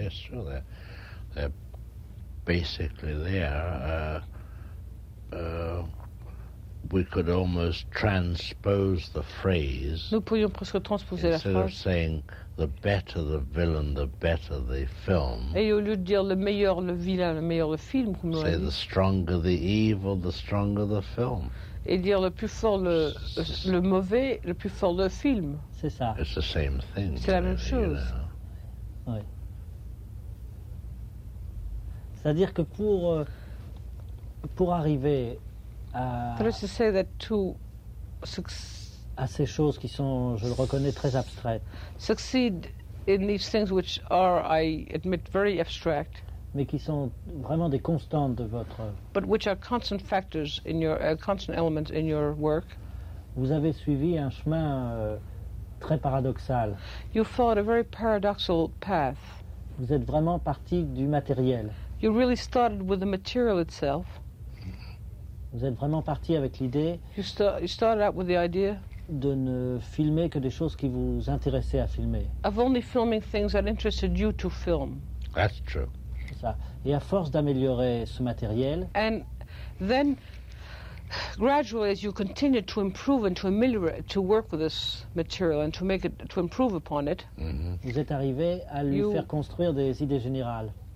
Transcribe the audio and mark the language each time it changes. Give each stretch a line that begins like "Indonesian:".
English: Yes, sure. They're basically there. We could almost transpose the phrase.
French: Nous pourrions presque transposer la phrase.
English: Instead of saying the better the villain, the better the film.
French: Et au lieu de dire le meilleur le vilain, le meilleur le film, comme on dit.
English: Say the stronger the evil, the stronger the film.
French: Et dire le plus fort le mauvais, le plus fort le film. C'est ça.
English: It's the same thing.
French: C'est la même chose. Oui. C'est-à-dire que pour arriver.
English: That is to say that to
French: à ces choses qui sont, je le reconnais, très abstraites.
English: Succeed in these things which are, I admit, very abstract.
French: Mais qui sont vraiment des constantes de votre.
English: But which are constant factors in your constant elements in your work.
French: Vous avez suivi un chemin très paradoxal.
English: You followed a very paradoxical path.
French: Vous êtes vraiment parti du matériel.
English: You really started with the material itself.
French: Vous êtes vraiment parti avec l'idée
English: you started out with the idea
French: de ne filmer que des choses qui vous intéressaient à filmer.
English: Of only filming things that interested you to film. That's true.
French: C'est ça. Et à force d'améliorer ce matériel,
English: and then gradually as you continued to improve and to ameliorate to work with this material and to make it to improve upon it,
French: vous êtes arrivé à lui faire construire des idées générales.